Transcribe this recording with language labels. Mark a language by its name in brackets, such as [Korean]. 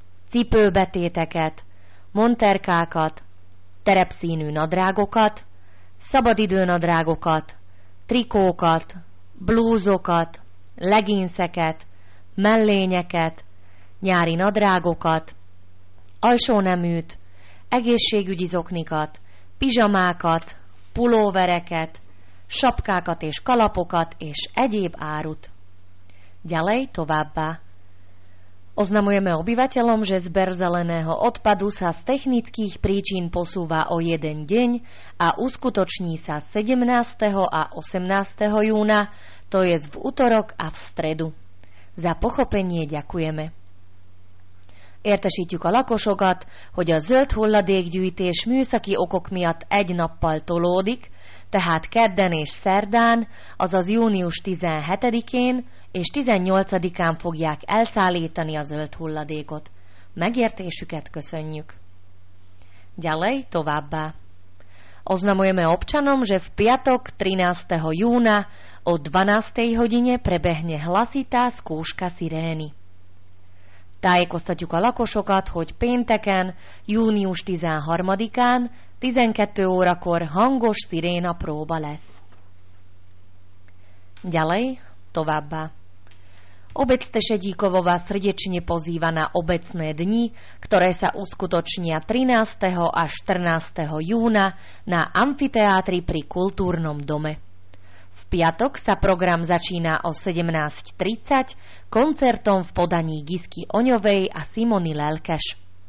[Hungarian] cipőbetéteket, monterkákat, terepszínű nadrágokat, szabadidőnadrágokat, trikókat, blúzokat, leginszeket, mellényeket, nyári nadrágokat, alsóneműt, egészségügyi zoknikat, pizsamákat, pulóvereket, sapkákat és kalapokat és egyéb árut. [Slovak] Ďalej [Hungarian] továbbá. [Slovak] Oznamujeme obyvateľom, že zber zeleného odpadu sa z technických príčin posúva o jeden deň a uskutoční sa 17. a 18. júna, to je v utorok a v stredu. Za pochopenie ďakujeme. [Hungarian] Értesítjük a lakosokat, hogy a zöld hulladékgyűjtés műszaki okok miatt egy nappal tolódik, tehát kedden és szerdán, azaz június 17-én és 18-án fogják elszállítani a zöld hulladékot. Megértésüket köszönjük. [Slovak] Ďalej [Hungarian] továbbá. [Slovak] Oznamujeme občanom, že v piatok 13. júna o 12. hodine prebehne hlasitá skúška sirény. [Hungarian] Tájékoztatjuk a lakosokat, hogy pénteken, június 13-án, 12 órakor hangos sziréna próba lesz. [Slovak] Ďalej, [Hungarian] továbbá. [Slovak] Obec Tešedíkovová srdečne pozýva na obecné dni, ktoré sa uskutočnia 13. a 14. júna na amfiteátri pri kultúrnom dome. V piatok sa program začína o 17.30 koncertom v podaní Gisky Oňovej a Simony Lelkeš.